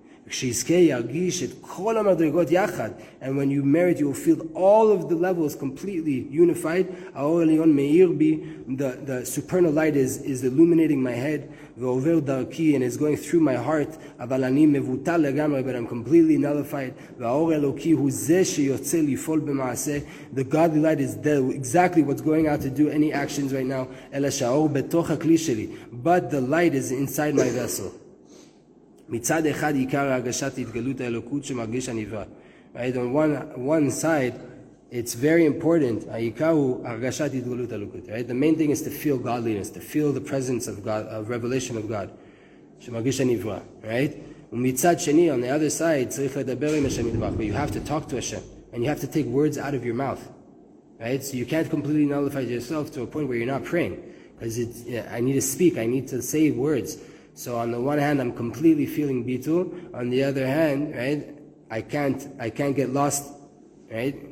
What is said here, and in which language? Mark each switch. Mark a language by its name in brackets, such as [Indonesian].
[Hebrew] כשיזכה ירגיש את כל המדרגות יחד, [English] and when you merit you will feel all of the levels completely unified, [Hebrew] האור עליון מאיר בי, [English] the supernal light is illuminating my head, [Hebrew] ועובר דרכי [English] and is going through my heart, [Hebrew] אבל אני מבוטל לגמרי, [English] but I'm completely nullified, [Hebrew] והאור אלוקי הוא זה שיוצא לפעול במעשה, [English] the godly light is there, exactly what's going out to do any actions right now, [Hebrew] אלא שהאור בתוך הכלי שלי, [English] but the light is inside my vessel. [Hebrew] מצד אחד עיקר הרגשת התגלות האלוקות שמרגיש הנברא. [English] Right? On one side, it's very important. [Hebrew] העיקר הוא הרגשת התגלות האלוקות. [English] Right? The main thing is to feel godliness, to feel the presence of God, of revelation of God, [Hebrew] שמרגיש הנברא. [English] Right? [Hebrew] ומצד שני, [English] on the other side, [Hebrew] צריך לדבר עם השם ידבר. [English] But you have to talk to Hashem. And you have to take words out of your mouth. Right? So you can't completely nullify yourself to a point where you're not praying. Because I need to speak. I need to say words. So on the one hand, I'm completely feeling bitul. On the other hand, right, I can't get lost, right?